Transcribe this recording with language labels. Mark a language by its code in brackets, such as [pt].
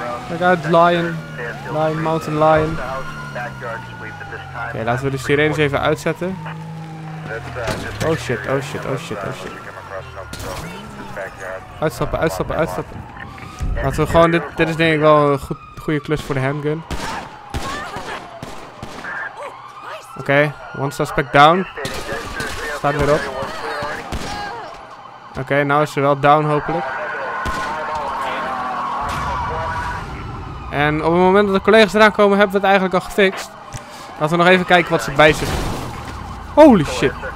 [nl] Kijk uit, Lion. Lion, Mountain Lion. Oké, laten we de sirenes even uitzetten. [en] Oh shit, oh shit, oh shit, oh shit. [nl] Uitstappen, uitstappen, uitstappen. Laten we gewoon, dit is denk ik wel een goede klus voor de handgun. [en] Oké, okay, one suspect down. [nl] Staat weer op. Oké, okay, nou is ze wel down hopelijk. En op het moment dat de collega's eraan komen, hebben we het eigenlijk al gefixt. Laten we nog even kijken wat ze bij zich. [en] Holy shit.